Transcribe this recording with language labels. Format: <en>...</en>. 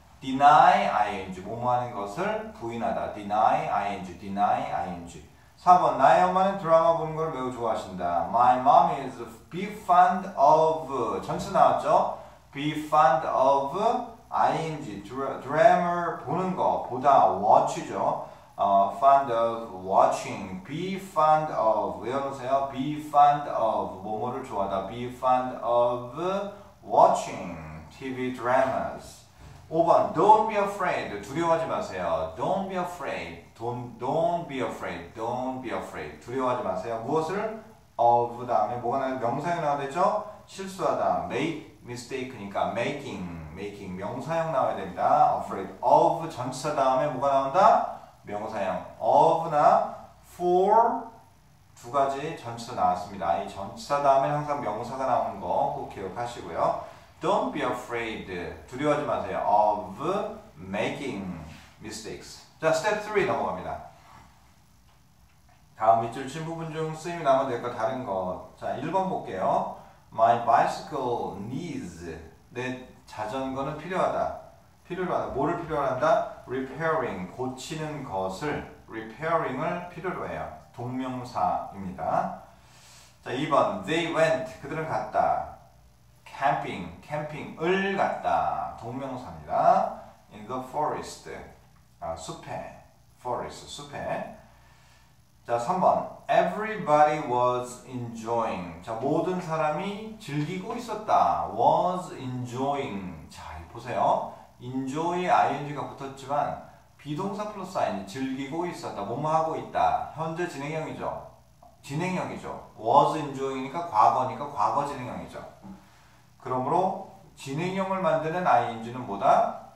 <en>deny, ing,</en> <ko>뭐뭐하는 것을 부인하다.</ko> <en>deny, ing, deny, ing.</en> <ko>4번, 나의 엄마는 드라마 보는 걸 매우 좋아하신다.</ko> <en>My mom is a big fan of.</en> <ko>전체 나왔죠?</ko> <en>Be fond of ing, drama</en> <ko>보는 거, 보다,</ko> <en>watch죠. Fond of watching. Be fond of.</en> <ko>외워놓으세요.</ko> <en>Be fond of.</en> <ko>뭐뭐를 좋아하다.</ko> <en>Be fond of watching TV dramas.</en> <ko>5번.</ko> <en>Don't be afraid.</en> <ko>두려워하지 마세요.</ko> <en>Don't be afraid. Don't be afraid. Don't be afraid.</en> <ko>두려워하지 마세요. 무엇을? Of 다음에 뭐가 나요? 명사형 나와야 되죠? 실수하다. Make. mistake니까 making 명사형 나와야 된다. afraid of 전치사 다음에 뭐가 나온다? 명사형 of나 for 두 가지 전치사 나왔습니다. 이 전치사 다음에 항상 명사가 나오는 거꼭 기억하시고요.</ko> <en>Don't be afraid</en> <ko>두려워하지 마세요.</ko> <en>of making mistakes.</en> <ko>자, step 3 넘어갑니다. 다음 밑줄 친 부분 중 쓰임이 남아 될거 다른 거. 자, 1번 볼게요.</ko> <en>My bicycle needs.</en> <ko>내 자전거는 필요하다. 필요하다. 뭐를 필요로 한다?</ko> <en>Repairing.</en> <ko>고치는 것을. Repairing을 필요로 해요. 동명사입니다. 자, 2번.</ko> <en>They went.</en> <ko>그들은 갔다.</ko> <en>Camping.</en> <ko>Camping을 갔다. 동명사입니다.</ko> <en>In the forest.</en> <ko>아, 숲에. Forest. 숲에. 자, 3번.</ko> <en>Everybody was enjoying.</en> <ko>자, 모든 사람이 즐기고 있었다.</ko> <en>was enjoying.</en> <ko>자, 보세요. enjoy, ing가 붙었지만, 비동사 플러스 ing, 즐기고 있었다. 뭐뭐하고 있다. 현재 진행형이죠. 진행형이죠. was enjoying이니까 과거니까 과거 진행형이죠. 그러므로, 진행형을 만드는 ing는 뭐다?</ko>